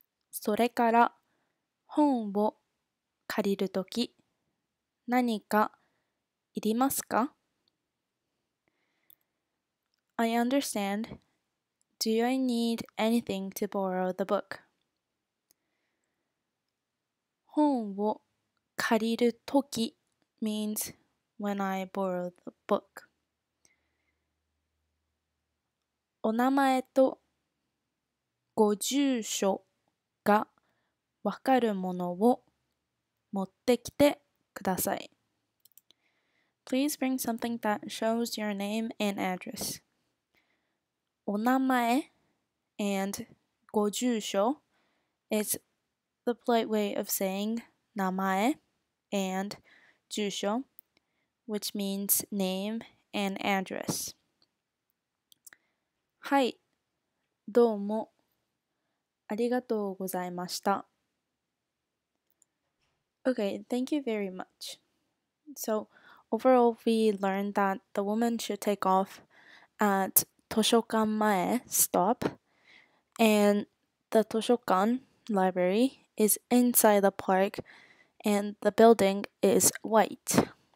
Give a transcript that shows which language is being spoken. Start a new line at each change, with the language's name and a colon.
Japanese: それから本を借りるとき何かいりますか?
English: I understand. Do I need anything to borrow the book?
Japanese: 本を借りるとき
English: means when I borrow the book.
Japanese: お名前とご住所がわかるものを持ってきてください。
English: Please bring something that shows your name and address.
Japanese: お名前 and ご住所
English: is the polite way of saying 名前 and 住所, which means name and address.
Japanese: はい、どうもありがとうございました。
English: Okay, thank you very much. So, overall, we learned that the woman should take off at 図書館前 stop, and the 図書館 library,is inside the park and the building is white.